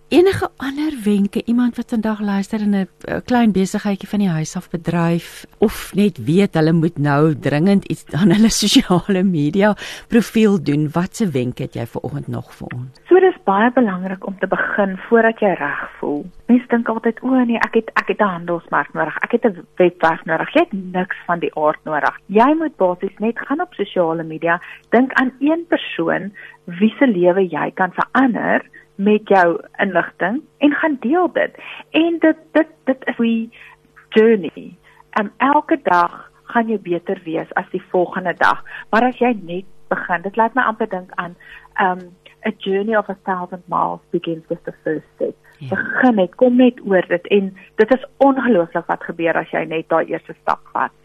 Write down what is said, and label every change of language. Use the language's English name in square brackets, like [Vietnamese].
[Afrikaans] Enige ander wenke, iemand wat vandag luister en 'n klein besigheidjie van die huis af bedryf, of net weet hulle moet nou dringend iets aan hulle sosiale media profiel doen, watse wenke het jy vir oggend nog vir ons? So dis baie belangrik om te begin voordat jy reg voel. Mens dink altyd, o nee, ek het 'n handelsmerk nodig, ek het 'n webwerf nodig, jy het niks van die aard nodig. Jy moet basies net gaan op sosiale media, dink aan een persoon wie se lewe jy kan verander met jou inligting en gaan deel dit. En dit is 'n journey. Elke dag gaan jy beter wees as die volgende dag. Maar as jy net begin, dit laat my amper dink aan [English] a journey of a thousand miles begins with the first step. [Afrikaans] Ja. Begin net, kom net oor dit en dit is ongelooflik wat gebeur as jy net daai eerste stap vat.